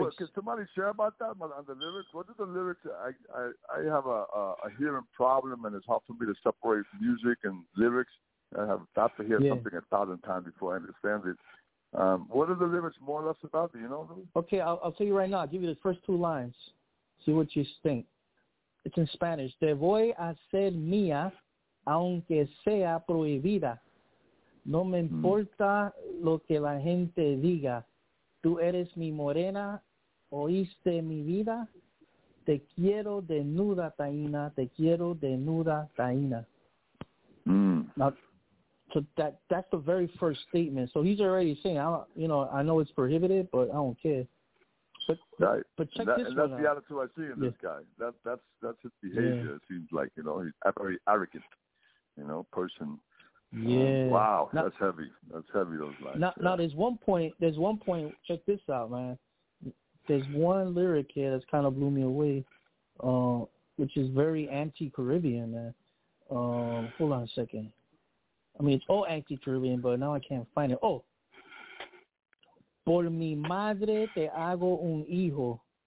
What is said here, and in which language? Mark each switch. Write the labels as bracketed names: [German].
[English] Well, can somebody share about that on the lyrics? What are the lyrics? I have a hearing problem, and it's hard for me to separate music and lyrics. I have got to hear something 1,000 times before I understand it. What are the lyrics more or less about? Do you know them? Okay, I'll tell you right now. I'll give you the first two lines. See what you think. It's in Spanish. [Spanish] Te voy a ser mía, aunque sea prohibida. No me importa lo que la gente diga. Tú eres mi morena, oíste mi vida. Te quiero desnuda, Taína. Te quiero desnuda, Taína. [English] Now, so that's the very first statement. So he's already saying, I know it's prohibited, but I don't care. But check that, this and that's one the out. Attitude I see in this guy. That's his behavior. Yeah. It seems like, you know, he's a very arrogant, you know, person. Yeah. Wow, now, that's heavy. That's heavy. Those lines. Now, there's one point. Check this out, man. There's one lyric here that's kind of blew me away, which is very anti-Caribbean, man. Hold on a second. I mean, it's all anti-Caribbean, but now I can't find it. Oh. [Spanish] Por mi madre te hago un hijo.